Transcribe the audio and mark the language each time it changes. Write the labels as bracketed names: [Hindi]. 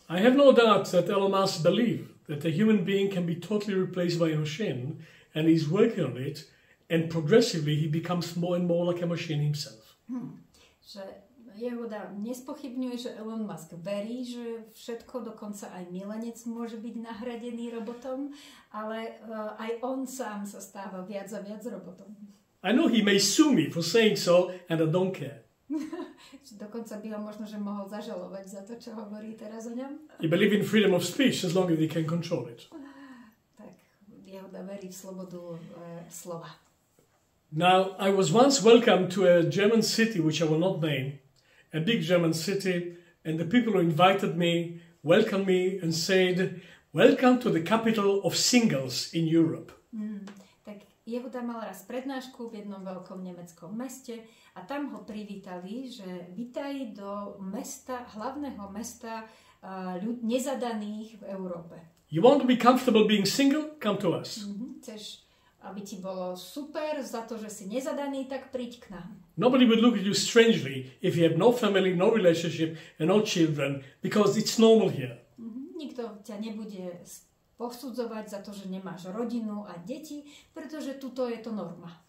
[English] I have no doubt that Elon Musk believes that a human being can be totally replaced by a machine, and he's working on it, and progressively he becomes more and more like a machine himself. [Slovak] Že jeho dá nespochybňuje, že Elon Musk verí, že všetko, dokonca aj milenec môže byť nahradený robotom, ale aj on sám sa stáva viac a viac robotom. [English] I know he may sue me for saying so, and I don't care. [Slovak] Dokonca by ho možno, že mohol zažalovať za to, čo hovorí teraz o ňom. [English] He believes in freedom of speech as long as he can control it. [Slovak] Tak jeho dá verí v slobodu slova. [English] Now, I was once welcomed to a German city, which I will not name, a big German city, and the people who invited me, welcomed me and said, welcome to the capital of singles in Europe. [Slovak] Tak Jehuda mal raz prednášku v jednom veľkom nemeckom meste a tam ho privítali, že vítaj do mesta, hlavného mesta nezadaných v Európe. [English] You want to be comfortable being single? Come to us. [Slovak] Chceš, aby ti bolo super za to, že si nezadaný, tak príď k nám. [English] Nobody would look at you strangely if you have no family, no relationship and no children, because it's normal here. [Slovak] Nikto ťa nebude posudzovať za to, že nemáš rodinu a deti, pretože tuto je to norma.